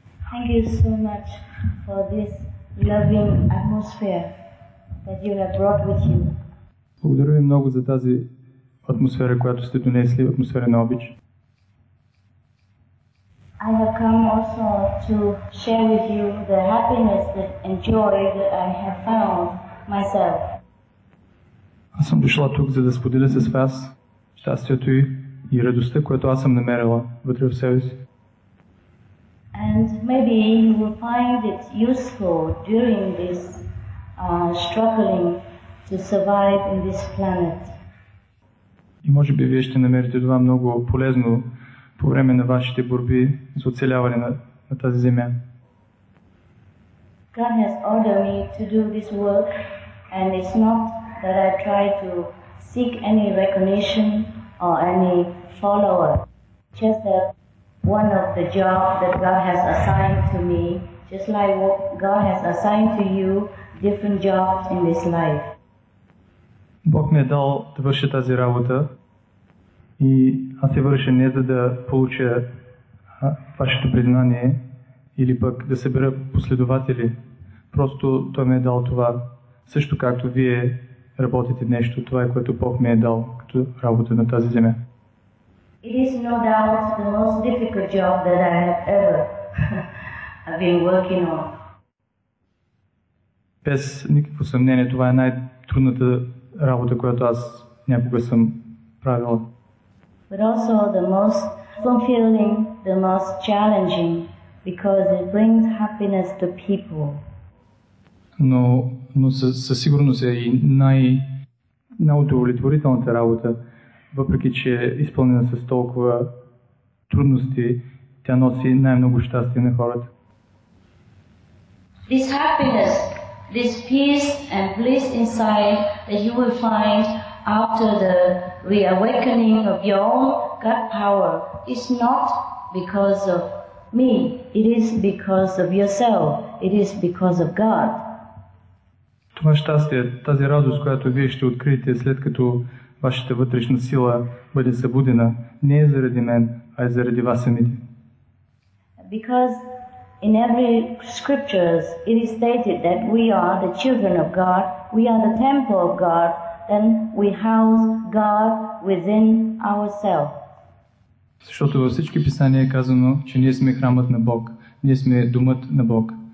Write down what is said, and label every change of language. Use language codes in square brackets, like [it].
[en] Thank you so much for this loving atmosphere that you have brought with you. [bg] Благодаря ви много за тази атмосфера, която сте донесли, атмосфера на обич. [en] I have come also to share with you the happiness and joy that I have found myself. [bg] Аз съм дошла тук, за да споделя с вас щастието и радостта, която аз съм намерила вътре в себе си. [en] And maybe you will find it useful during this struggling to survive in this planet. [bg] И може би вие ще намерите това много полезно по време на вашите борби за оцеляване на тази земя. [en] God has ordered me to do this work and it's not that I try to seek any recognition or any follower. Just that one of the job that God has assigned to me, just like what God has assigned to you different jobs in this life. [bg] Бог ми е дал да върша тази работа. И аз се върша не за да получа вашето признание или пък да събера последователи. Просто той ми е дал това също както вие работите нещо, това е което Бог ми е дал като работа на тази земя. [en] It is no doubt the most difficult job that I have ever been working on. [bg] Без никакво съмнение, това е най-трудната работа, която аз някога съм правила. [en] But also the most fulfilling, the most challenging, because it brings happiness to people. [bg] Но със сигурност е и най-удовлетворителната работа, въпреки че е изпълнена с толкова трудности, тя носи най-много щастие на хората. [en] This happiness, this peace and bliss inside that you will find after the reawakening of your own God power is not because of me, it is because of yourself, it is because of God. [bg] Това щастие, тази радост, която вие ще откриете след като вашата вътрешна сила бъде събудена, не е заради мен, а е заради вас самите. [en] Because in every scriptures it is stated that we are the children of God, we are the temple of God, then we house God within ourselves. [bg] Защото във всички писания е казано, че ние сме храмът на Бог, ние сме домът на Бог.